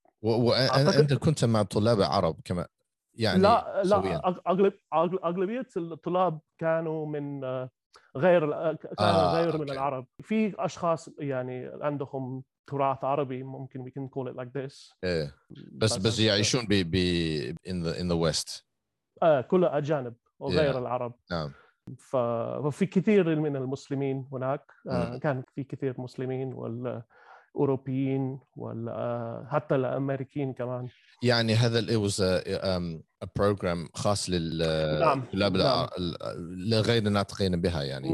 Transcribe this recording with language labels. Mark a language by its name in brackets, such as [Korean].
[Arabic] وانت كنت مع طلاب عرب كما يعني؟ لا اغلبيه الطلاب كانوا من غير من العرب. في أشخاص يعني عندهم [English] Turath Arabi, [Arabic] ممكن [English] we can call it like this. Yeah. But yeah, it shouldn't be in the West. [Arabic] كله أجانب وغير العرب. نعم. ففي كثير من المسلمين هناك كان في كثير مسلمين والأوروبيين وحتى الأمريكيين كمان. يعني هذا [English] it was a program [Arabic] خاص للطلاب لغير الناطقين بها يعني.